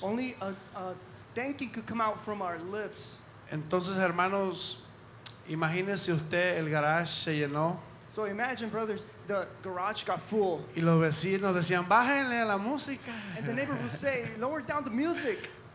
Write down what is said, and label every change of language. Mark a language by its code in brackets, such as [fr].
[en] Only a thank you could come out from our lips. [es] Entonces, hermanos, imagínese usted, el garage se llenó. [en] So imagine, brothers, the garage got full. [es] Y los vecinos decían, bájenle a la música. [en] And the neighbor would say, lower down the music.